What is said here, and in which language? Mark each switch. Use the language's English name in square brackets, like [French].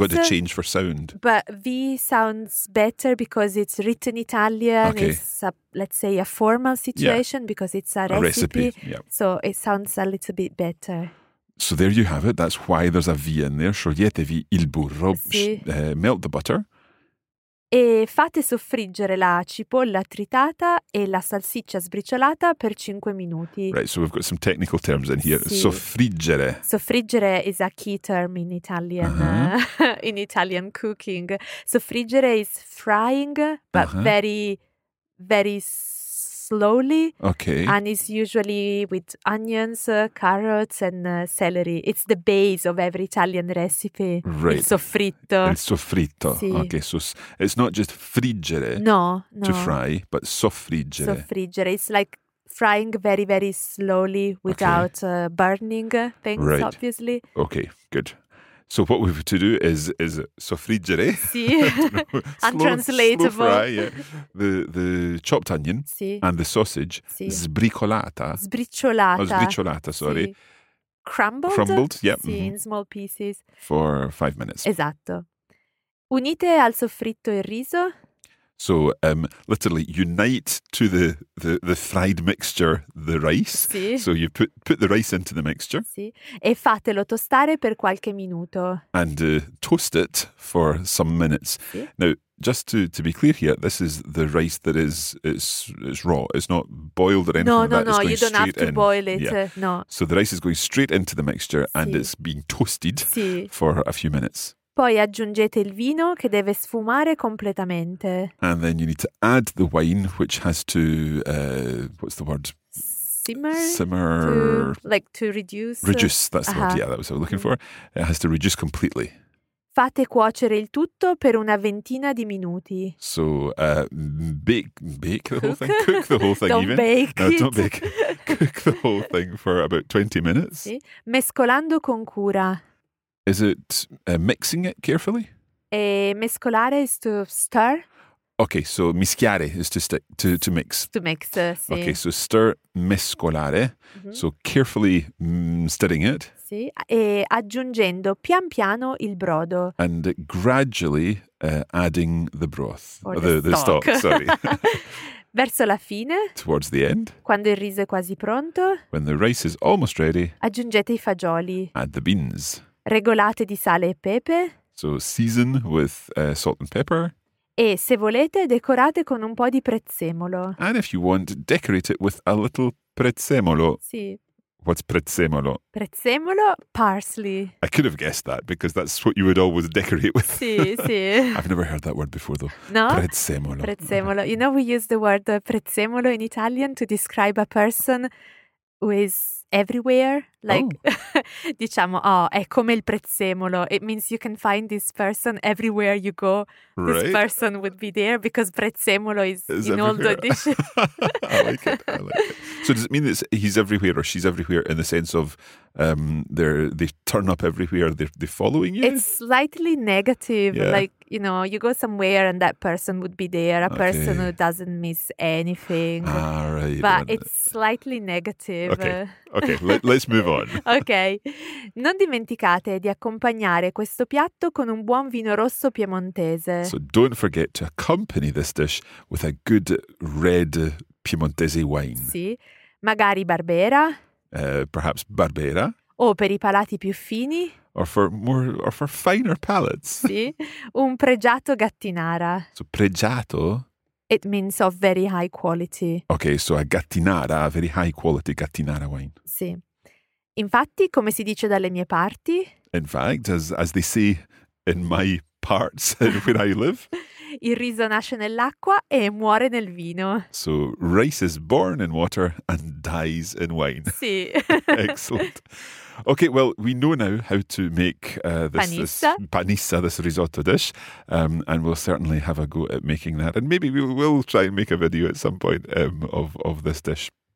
[English] we've got to change for sound. But V sounds better because it's written Italian. Okay. It's, a formal situation because it's a recipe. Yeah. So it sounds a little bit better. So there you have it. That's why there's a V in there. [Italian] Scioglietevi il burro. Sì. [English] Melt the butter. [Italian] E fate soffriggere la cipolla tritata e la salsiccia sbriciolata per 5 minuti. [English] Right, so we've got some technical terms in here. [Italian] Sì. Soffriggere. [English] Soffriggere is a key term in Italian, in Italian cooking. Soffriggere is frying, but very, very slowly. Okay. And it's usually with onions, carrots and celery. It's the base of every Italian recipe. Right. [Italian] Il soffritto. Sì. [English] Okay, so it's not just friggere. No. To fry, but soffriggere. Soffriggere. It's like frying very, very slowly without burning things, right. Obviously. Okay, good. So what we have to do is soffriggere. Sì. Untranslatable. The chopped onion and the sausage. [Italian] Sì. Sbriciolata. [English] Sì. Crumbled? Crumbled, yep. Sì, in small pieces. For 5 minutes. [Italian] Esatto. Unite al soffritto il riso. [English] So literally unite to the fried mixture, the rice. [Italian] Sì. [English] So you put the rice into the mixture. [Italian] Sì. E fatelo tostare per qualche minuto. [English] And toast it for some minutes. [Italian] Sì. [English] Now, just to be clear here, this is the rice that is raw. It's not boiled or anything. No, you don't have to boil it. Yeah. No. So the rice is going straight into the mixture and it's being toasted for a few minutes. [Italian] Poi aggiungete il vino che deve sfumare completamente. [English] And then you need to add the wine which has to, what's the word? Simmer. To reduce. Reduce, that's the word, yeah, that was what I was looking for. It has to reduce completely. [Italian] Fate cuocere il tutto per una ventina di minuti. [English] So, bake the whole thing? Cook the whole thing don't even? Don't bake. Cook the whole thing for about 20 minutes. [Italian] Sì. Mescolando con cura. [English] Is it mixing it carefully? E mescolare is to stir. Okay, so mischiare is to stick, to mix. To mix, sì. Okay, so stir, mescolare. Mm-hmm. So carefully stirring it. [Italian] Sì, e aggiungendo pian piano il brodo. [English] And gradually adding the broth. Or the stock, sorry. [Italian] Verso la fine. [English] Towards the end. [Italian] Quando il riso è quasi pronto. [English] When the rice is almost ready. [Italian] Aggiungete i fagioli. [English] Add the beans. [Italian] Regolate di sale e pepe. [English] So season with salt and pepper. [Italian] E se volete decorate con un po' di prezzemolo. [English] And if you want, decorate it with a little prezzemolo. [Italian] Sì. [English] What's prezzemolo? Prezzemolo, parsley. I could have guessed that because that's what you would always decorate with. Sì, sì. I've never heard that word before though. No? [Italian] Prezzemolo. [English] Prezzemolo. You know, we use the word prezzemolo in Italian to describe a person who is everywhere, [Italian] diciamo, oh, è come il prezzemolo. [English] It means you can find this person everywhere you go. Right. This person would be there because prezzemolo is in all the dishes. I like it. So does it mean that he's everywhere or she's everywhere in the sense of they turn up everywhere, they're following you? It's slightly negative. Yeah. You know, you go somewhere and that person would be there, person who doesn't miss anything. Ah, right. But it's slightly negative. Okay, let's move on. Okay. [Italian] Non dimenticate di accompagnare questo piatto con un buon vino rosso piemontese. [English] So don't forget to accompany this dish with a good red piemontese wine. [Italian] Sì, magari Barbera. [English] Perhaps Barbera. [Italian] O per i palati più fini. [English] Or for finer palates. [Italian] Sì, un pregiato Gattinara. [English] So pregiato? It means of very high quality. Okay, so a Gattinara, a very high quality Gattinara wine. [Italian] Sì. Infatti, come si dice dalle mie parti? [English] In fact, as they say in my parts where I live. [Italian] Il riso nasce nell'acqua e muore nel vino. [English] So rice is born in water and dies in wine. [Italian] Sì. [English] Excellent. Okay, well, we know now how to make this panissa, this risotto dish, and we'll certainly have a go at making that. And maybe we will try and make a video at some point of this dish.